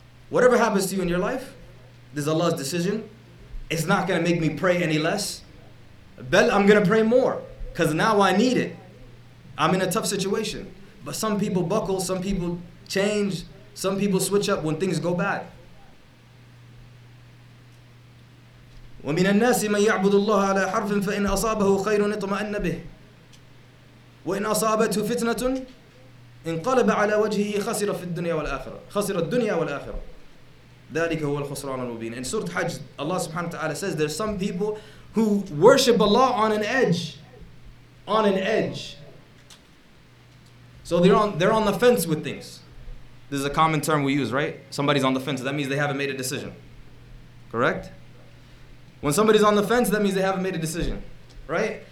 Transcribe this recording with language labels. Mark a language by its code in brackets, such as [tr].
[en] Whatever happens to you in your life, this is Allah's decision. It's not going to make me pray any less. But I'm going to pray more because now I need it. I'm in a tough situation, but some people buckle, some people change, some people switch up when things go bad. [ar] ومن الناس من يعبد الله على حرف فإن أصابه خير اطمأن به وإن أصابته فتنة انقلب على وجهه خسر في الدنيا والآخرة خسر الدنيا والآخرة ذلك هو الخسران المبين. [en] In Surah Hajj, Allah subhanahu wa ta'ala says there's some people who worship Allah on an edge. So they're on the fence with things. This is a common term we use, right? Somebody's on the fence. That means they haven't made a decision. Correct? When somebody's on the fence, that means they haven't made a decision. Right?